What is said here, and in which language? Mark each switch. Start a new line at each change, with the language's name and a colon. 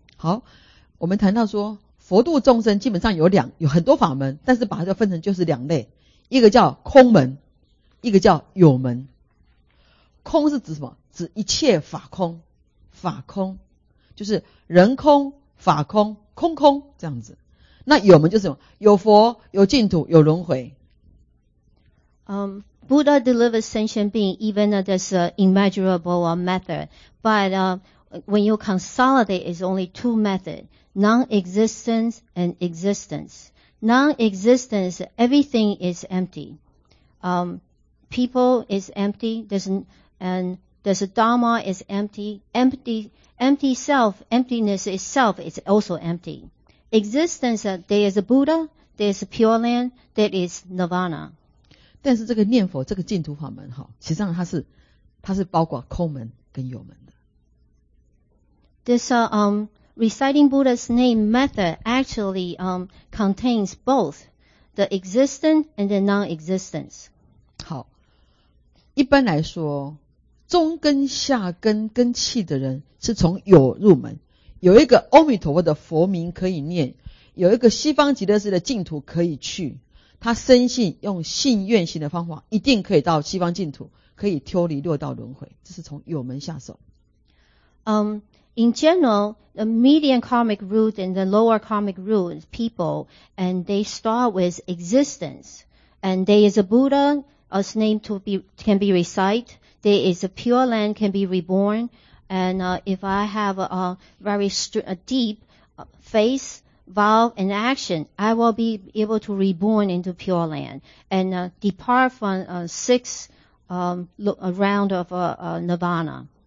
Chinese: 好，我们谈到说佛度众生基本上有很多法门，但是把它分成就是两类，一个叫空门，一个叫有门。空是指什么？指一切法空，法空就是人空、法空、空空这样子。那有门就是什么？有佛、有净土、有轮回。
English: Buddha delivers sentient being even though there's an immeasurable method, but when you consolidate, it's only two methods: non-existence and existence. Non-existence, everything is empty. People is empty, and there's a Dharma is empty. Emptiness itself is also empty. Existence, there is a Buddha, there is a Pure Land, there is Nirvana.
Chinese: 但是这个念佛，这个净土法门，其实上它是包括空门跟有门的。
English: Reciting Buddha's name method actually contains both the existence and the non-existence.
Chinese: 好，一般来说，中根下根根气的人是从有入门，有一个阿弥陀佛的佛名可以念，有一个西方极乐世界的净土可以去，他深信用信愿行的方法一定可以到西方净土，可以脱离六道轮回，这是从有门下手。
English: In general, the median karmic root and the lower karmic root people, and they start with existence. And there is a Buddha, his name to be, can be recited. There is a pure land can be reborn. And if I have a deep face, vow, and action, I will be able to reborn into pure land and depart from six round of nirvana.